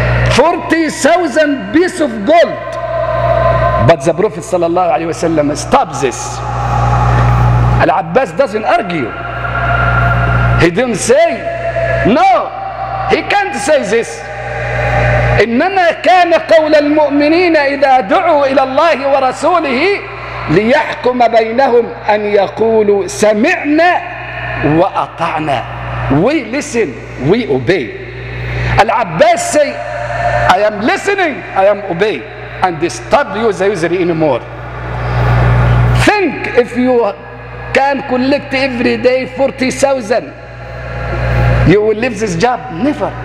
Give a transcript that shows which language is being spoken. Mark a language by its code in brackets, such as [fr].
[en] 40,000 piece of gold. But the Prophet صلى الله عليه وسلم stop this. Al-Abbas doesn't argue. He didn't say, no, he can't say this. [ar] إنما كان قول المؤمنين إذا دعوا إلى الله ورسوله ليحكم بينهم أن يقولوا سمعنا وأطعنا. [en] We listen, we obey. Al-Abbas say, I am listening, I am obey, and stop you the usury anymore. Think if you can collect every day 40,000, you will leave this job, never.